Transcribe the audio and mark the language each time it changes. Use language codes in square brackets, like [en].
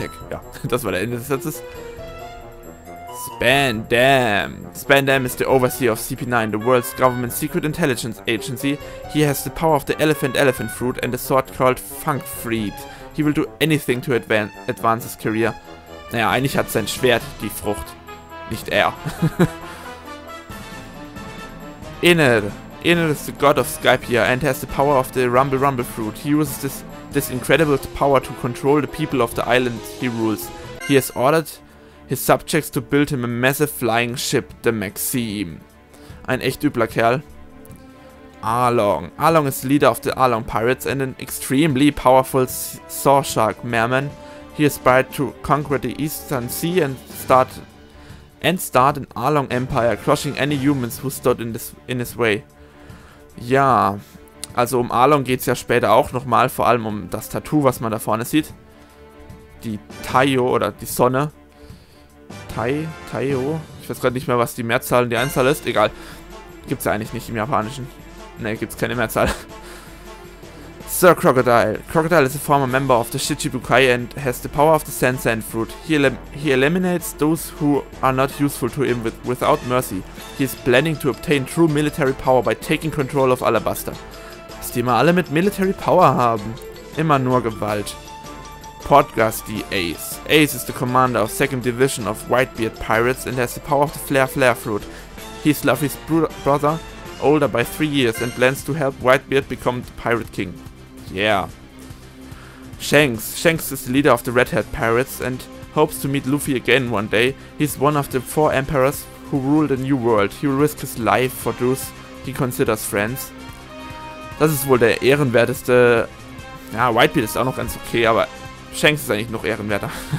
[de] Ja, das war der Ende des Satzes. Spandam. [en] Spandam is the overseer of CP9, the world's government secret intelligence agency. He has the power of the elephant fruit and a sword called Funkfried. He will do anything to advance his career. [de] Naja, eigentlich hat sein Schwert die Frucht, nicht er. [en] Inner is the god of Skypia and has the power of the Rumble fruit. He uses this incredible power to control the people of the island he rules. He has ordered his subjects to build him a massive flying ship, the Maxime. [de] Ein echt übler Kerl. [en] Arlong. Arlong is the leader of the Arlong Pirates and an extremely powerful saw shark merman. He aspired to conquer the Eastern Sea and start an Arlong Empire, crushing any humans who stood in his way. [de] Ja, also um Arlong geht's ja später auch nochmal, vor allem um das Tattoo, was man da vorne sieht. Die Taiyo oder die Sonne. Taiyo? Ich weiß gerade nicht mehr, was die Mehrzahl und die Einzahl ist. Egal. Gibt's ja eigentlich nicht im Japanischen. Ne, gibt's keine Mehrzahl. Sir Crocodile. [en] Crocodile is a former member of the Shichibukai and has the power of the Sand Fruit. He eliminates those who are not useful to him without mercy. He is planning to obtain true military power by taking control of Alabasta. [de] Dass die immer alle mit Military Power haben. Immer nur Gewalt. Podgast the Ace. [en] Ace is the commander of 2nd Division of Whitebeard Pirates and has the power of the Flare Fruit. He is Luffy's brother, older by 3 years, and plans to help Whitebeard become the Pirate King. Yeah. Shanks is the leader of the Red Hat Pirates and hopes to meet Luffy again one day. He's one of the 4 emperors who rule the new world. He will risk his life for those he considers friends. [de] Das ist wohl der ehrenwerteste. Ja, Whitebeard ist auch noch ganz okay, aber Shanks ist eigentlich noch ehrenwerter.